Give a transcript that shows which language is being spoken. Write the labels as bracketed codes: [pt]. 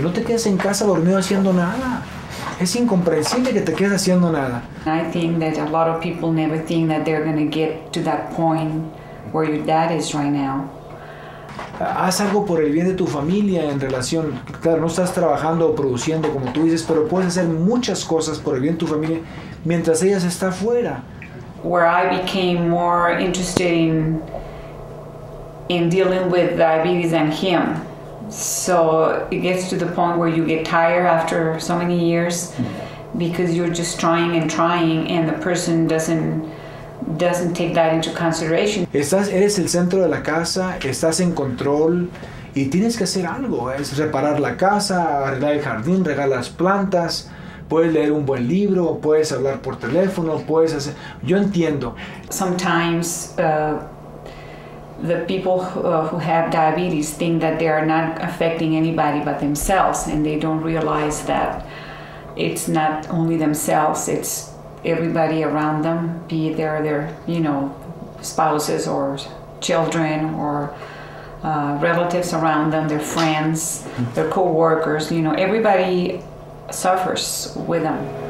[es] No te quedes en casa dormido haciendo nada. Es incomprensible que te quedes haciendo nada. [en] I think that a lot of people never think that they're going to get to that point where your dad is right now. [es] Haz algo por el bien de tu familia en relación. Claro, no estás trabajando o produciendo como tú dices, pero puedes hacer muchas cosas por el bien de tu familia mientras ella está fuera. [en] Where I became more interested in dealing with diabetes than him. So it gets to the point where you get tired after so many years because you're just trying and the person doesn't take that into consideration. [es] Eres el centro de la casa, estás en control y tienes que hacer algo. Es reparar la casa, arreglar el jardín, regar las plantas, puedes leer un buen libro, puedes hablar por teléfono, puedes hacer... Yo entiendo. [en] Sometimes... the people who have diabetes think that they are not affecting anybody but themselves, and they don't realize that it's not only themselves, it's everybody around them, be it their you know, spouses or children or relatives around them, their friends, their co-workers, you know, everybody suffers with them.